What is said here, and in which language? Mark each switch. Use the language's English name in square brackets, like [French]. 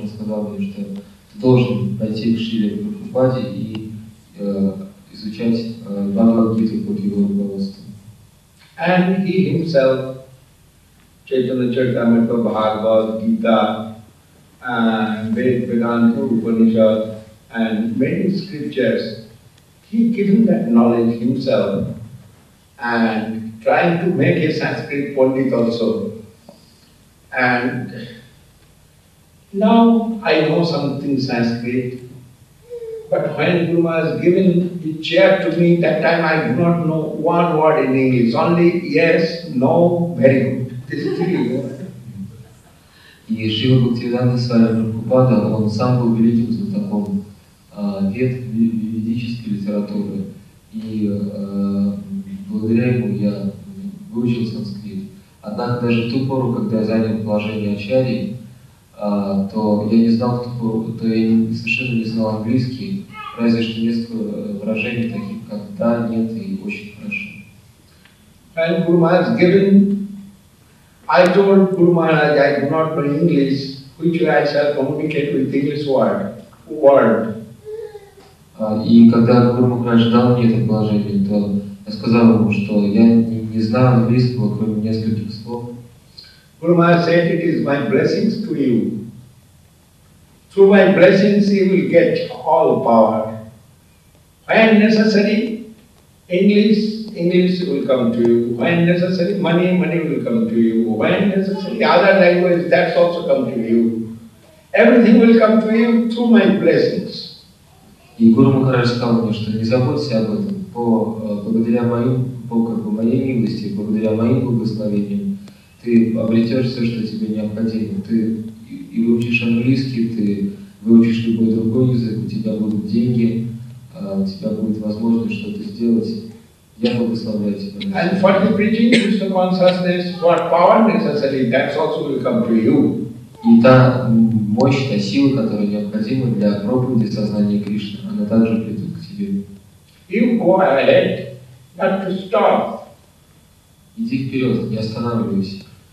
[Russian] Он сказал мне, что ты должен пойти к Шриле Прабхупаде и изучать Бхагавад-гиту под его руководством. [English] And he himself, Chaitanya Charitamrita, Bhagavad Gita, Vedanta, Upanishad, and many scriptures, he given that knowledge himself and trying to make a Sanskrit Pandit also. And now I know something Sanskrit. But when Guru Maharaj given the chair to me, that time I do not know one word in English, only yes, no, very good. This is three words. [Russian] И Шрила Бхактисиддханта Свами Прабхупада, он сам был великим знатоком ведической литературы. И благодаря ему я выучил санскрит. Однако даже в ту пору, когда я занял положение ачарьи, то я не знал в ту пору, то я совершенно не знал английский, разве что несколько выражений таких, как «да», «нет» и «очень хорошо». [English] And Guru Maharaj given, I told Guru Maharaj, I do not know English, which way I shall communicate with English word. [Russian] И когда Guru Maharaj дал мне это положение, то [Ukrainian] Я сказав йому, що я не знаю англійського, крім [Russian] нескольких слов. [English] Guru Maharaj said, it is my blessings to you. Through my blessings you will get all power. When necessary, English, English will come to you. When necessary, money, money will come to you. When necessary, other language, that's also come to you. Everything will come to you through my blessings. [Russian] И Гуру Махарадж сказал мне, что не заботься об этом. Благодаря моей милости, благодаря моим благословениям, ты обретешь все, что тебе необходимо. Ты и выучишь английский, ты выучишь любой другой язык, у тебя будут деньги, у тебя будет возможность что-то сделать. Я благословляю тебя. [English] And for the preaching, Krishna consciousness, for power necessary, that also will come to you. [Russian] И та мощь, та сила, которая необходима для проповеди сознания Кришны, она также придет к тебе. [English] You go ahead, not to stop. [Russian] Иди вперед, не останавливайся.